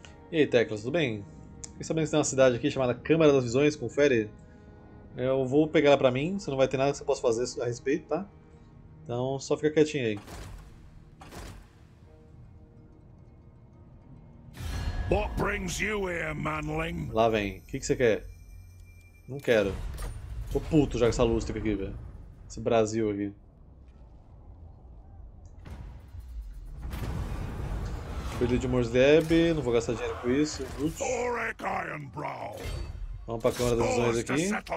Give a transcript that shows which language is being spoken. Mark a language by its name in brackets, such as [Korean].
[Portuguese] E aí, Teclas, tudo bem? Fiquei sabendo que tem uma cidade aqui chamada Câmara das Visões, confere. Eu vou pegar ela pra mim, você não vai ter nada que você possa fazer a respeito, tá? Então só fica quietinho aí. [English] What brings you here, manling? [Portuguese] Lá vem, o que você quer? Não quero. Tô puto já com essa lustre aqui, velho. Esse Brasil aqui. Pedido de Morsleb, não vou gastar dinheiro com isso. [English] Thoric Ironbrow. [Portuguese] Vamos pra Câmara das Visões aqui.